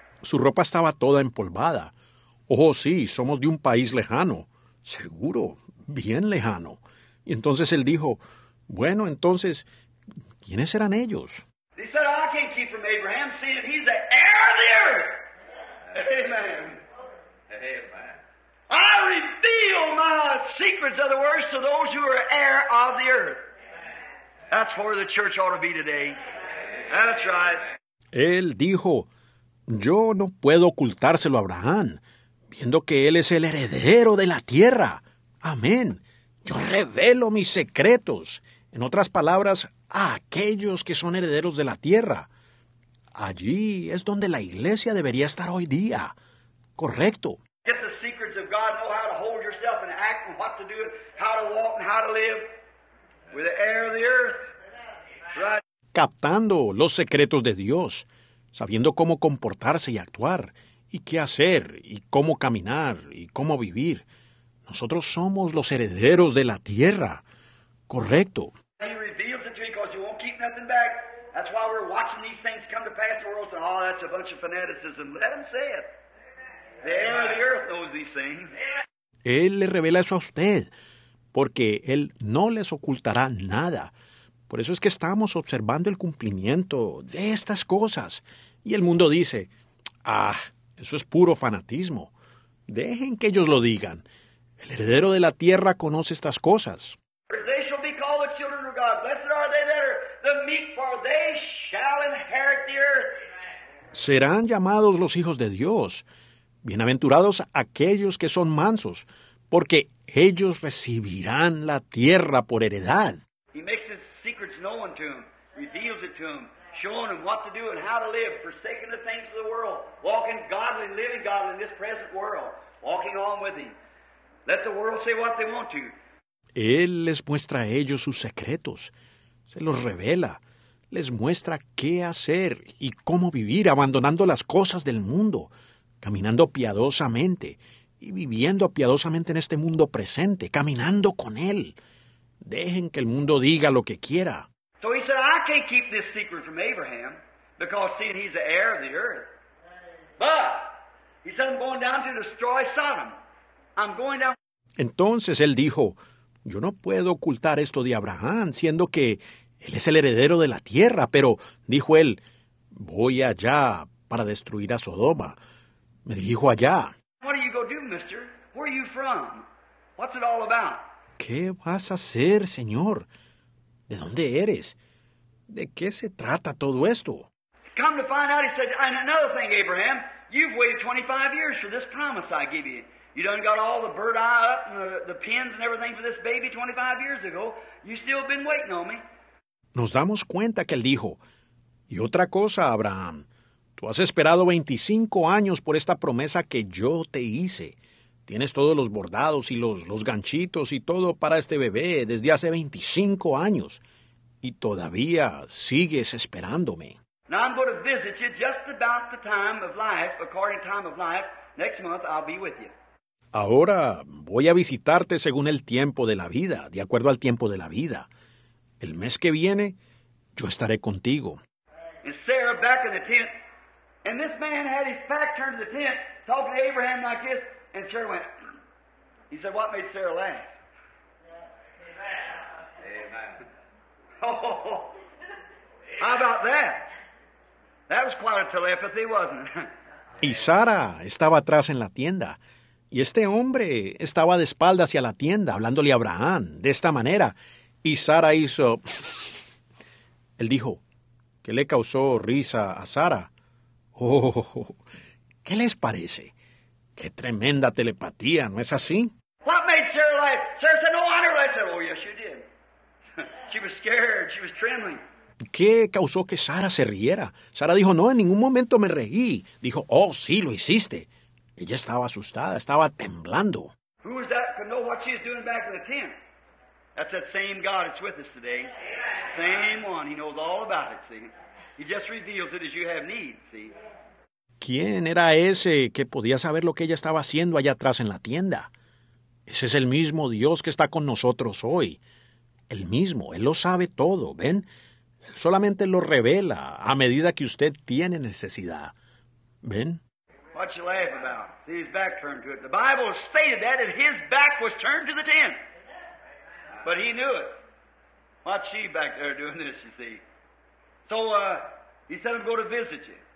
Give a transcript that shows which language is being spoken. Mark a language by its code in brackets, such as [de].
[es] Su ropa estaba toda empolvada. Oh, sí, somos de un país lejano. Seguro, bien lejano. Y entonces él dijo, bueno, entonces, ¿quiénes eran ellos? [en] He said, I can't keep from Abraham, seeing that he's the heir of the earth. Amen. Amen. I reveal my secrets, other words, to those who are heir of the earth. That's where the church ought to be today. That's right. [es] Él dijo, yo no puedo ocultárselo a Abraham, viendo que él es el heredero de la tierra. Amén. Yo revelo mis secretos. En otras palabras, a aquellos que son herederos de la tierra. Allí es donde la iglesia debería estar hoy día. Correcto. [en] Get the secrets of God, know how to hold yourself and act and what to do, how to walk and how to live. With the air of the earth. Right. [es] Captando los secretos de Dios, sabiendo cómo comportarse y actuar, y qué hacer, y cómo caminar, y cómo vivir. Nosotros somos los herederos de la tierra. Correcto. [en] He reveals it to you because you won't keep nothing back. That's why we're watching these things come to pass in the world. And oh, that's a bunch of fanaticism. Let him say it. The air of the earth knows these things. [es] Él le revela eso a usted. Porque Él no les ocultará nada. Por eso es que estamos observando el cumplimiento de estas cosas. Y el mundo dice, ¡ah, eso es puro fanatismo! Dejen que ellos lo digan. El heredero de la tierra conoce estas cosas. [en] They shall be called the children of God. Blessed are they that are the meek, for they shall inherit the earth. [es] Serán llamados los hijos de Dios. Bienaventurados aquellos que son mansos. Porque ellos recibirán la tierra por heredad. [en] He makes his secrets known to them, reveals it to them, showing them what to do and how to live, forsaking the things of the world, walking godly, living godly in this present world, walking on with him. Let the world say what they want to. [es] Él les muestra a ellos sus secretos. Se los revela. Les muestra qué hacer y cómo vivir abandonando las cosas del mundo, caminando piadosamente y viviendo piadosamente en este mundo presente, caminando con Él. Dejen que el mundo diga lo que quiera. [en] So he said, I can't keep this secret from Abraham, because seeing he's the heir of the earth. But, he said, I'm going down to destroy Sodom. I'm going down. [es] Entonces él dijo, yo no puedo ocultar esto de Abraham, siendo que él es el heredero de la tierra. Pero, dijo él, voy allá para destruir a Sodoma. Me dijo allá. [en] What are you going to do, mister? Where are you from? What's it all about? [es] ¿Qué vas a hacer, señor? ¿De dónde eres? ¿De qué se trata todo esto? [en] Come to find out, he said, and another thing, Abraham, you've waited 25 years for this promise I give you. You done got all the bird eye up and the pins and everything for this baby 25 years ago. You still been waiting on me. [es] Nos damos cuenta que él dijo, y otra cosa, Abraham, tú has esperado 25 años por esta promesa que yo te hice. Tienes todos los bordados y los ganchitos y todo para este bebé desde hace 25 años. Y todavía sigues esperándome. [en] Now I'm going to visit you just about the time of life, according to time of life. Next month I'll be with you. [es] Ahora voy a visitarte según el tiempo de la vida, de acuerdo al tiempo de la vida. El mes que viene, yo estaré contigo. [en] And Sarah back in the tent. And this man had his back turned to the tent, talking to Abraham like this. And Sarah went, he said, what made Sarah laugh? Amen. Amen. Oh, how about that? That was quite a telepathy, wasn't it? [es] Y Sara estaba atrás en la tienda. Y este hombre estaba de espalda hacia la tienda, hablándole a Abraham de esta manera. Y Sara hizo... Él dijo, ¿qué le causó risa a Sara? Oh, ¿qué les parece? ¡Qué tremenda telepatía! ¿No es así? [en] What made Sarah laugh? Sarah said, no wonder. I said, oh, yes, you did. She was scared. She was trembling. [es] ¿Qué causó que Sara se riera? Sara dijo, no, en ningún momento me reí. Dijo, oh, sí, lo hiciste. Ella estaba asustada, estaba temblando. [en] Who is that could know what she's doing back in the tent? That's that same God that's with us today. Same one. He knows all about it, see? He just reveals it as you have need, see? [es] ¿Quién era ese que podía saber lo que ella estaba haciendo allá atrás en la tienda? Ese es el mismo Dios que está con nosotros hoy. El mismo, Él lo sabe todo, ¿ven? Él solamente lo revela a medida que usted tiene necesidad, ¿ven? [en] What you laugh about? See, his back turned to it. The Bible stated that, and his back was turned to the tent. But he knew it. What's she back there doing this, you see? So, he said, I'm going to visit you.